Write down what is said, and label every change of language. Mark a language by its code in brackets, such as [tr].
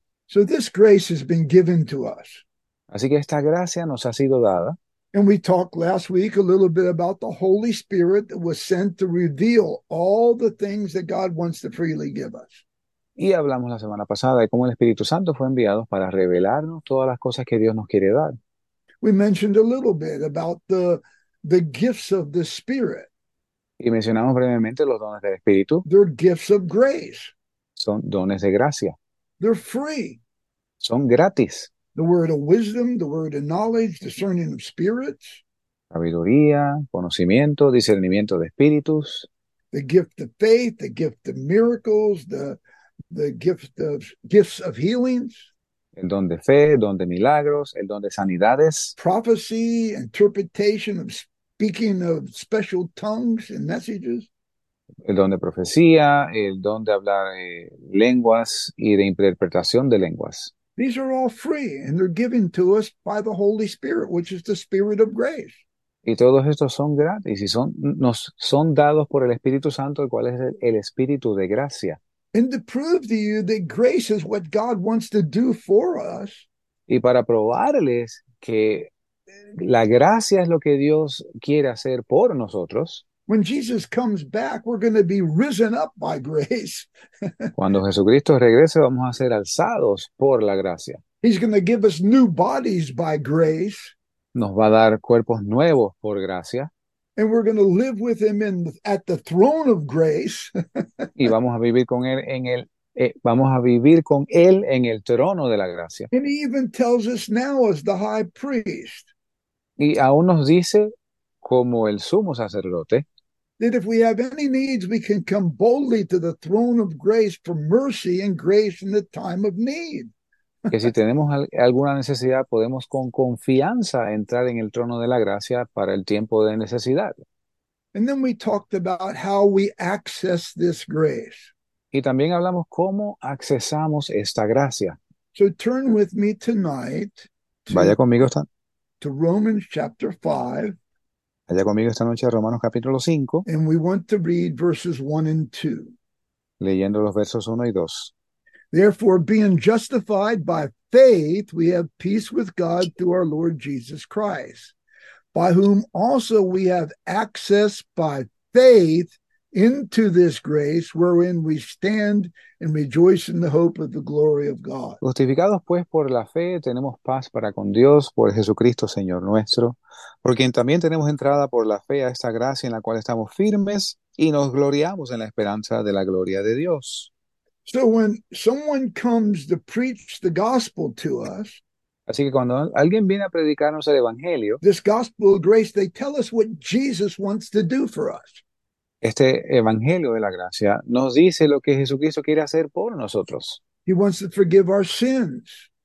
[en] So this grace has been given to us. [es] Así que esta gracia nos ha sido dada. [en] And we talked last week a little bit about the Holy Spirit that was sent to reveal all the things that God wants to freely give us. [es] Y hablamos la semana pasada de cómo el Espíritu Santo fue enviado para revelarnos todas las cosas que Dios nos quiere dar. [en] We mentioned a little bit about the gifts of the Spirit. [es] Y mencionamos brevemente los dones del Espíritu. [en] They're gifts of grace. [es] Son dones de gracia. [en] They're free. [es] Son gratis. [en] The word of wisdom, the word of knowledge, discerning of spirits. [es] Sabiduría, conocimiento, discernimiento de espíritus. [en] The gift of faith, the gift of miracles, the gifts of healings. [es] El don de fe, el don de milagros, el don de sanidades. [en] Prophecy, interpretation of speaking of special tongues and messages. [es] El don de profecía, el don de hablar lenguas y de interpretación de lenguas. [en] These are all free and they're given to us by the Holy Spirit, which is the Spirit of grace. [es] Y todos estos son gratis y son, nos son dados por el Espíritu Santo, el cual es el Espíritu de gracia. [en] And to prove to you that grace is what God wants to do for us. [es] Y para probarles que la gracia es lo que Dios quiere hacer por nosotros. [en] When Jesus comes back, we're going to be risen up by grace. [es] Cuando Jesucristo regrese, vamos a ser alzados por la gracia. [en] He's going to give us new bodies by grace. [es] Nos va a dar cuerpos nuevos por gracia. [en] And we're going to live with him in at the throne of grace. [es] Y vamos a vivir con él en el vamos a vivir con él en el trono de la gracia. [en] And he even tells us now as the high priest. [es] Y aún nos dice como el sumo sacerdote. [en] That if we have any needs, we can come boldly to the throne of grace for mercy and grace in the time of need. [es] Que si tenemos alguna necesidad, podemos con confianza entrar en el trono de la gracia para el tiempo de necesidad. [en] And then we talked about how we access this grace. [es] Y también hablamos cómo accesamos esta gracia. [en] So turn with me tonight [es] Vaya conmigo esta [en] to Romans chapter 5. [es] Allá conmigo esta noche a Romanos capítulo 5. [en] And we want to read verses 1 and 2. [es] Leyendo los versos 1 y 2. [en] Therefore, being justified by faith, we have peace with God through our Lord Jesus Christ, by whom also we have access by faith into this grace, wherein we stand and rejoice in the hope of the glory of God. [es] Justificados pues por la fe, tenemos paz para con Dios por Jesucristo Señor nuestro, por quien también tenemos entrada por la fe a esta gracia en la cual estamos firmes y nos gloriamos en la esperanza de la gloria de Dios. [en] So when someone comes to preach the gospel to us, [es] así que cuando alguien viene a predicarnos el evangelio, [en] this gospel of grace, they tell us what Jesus wants to do for us. [es] Este evangelio de la gracia nos dice lo que Jesucristo quiere hacer por nosotros. [en] He wants to forgive our sins.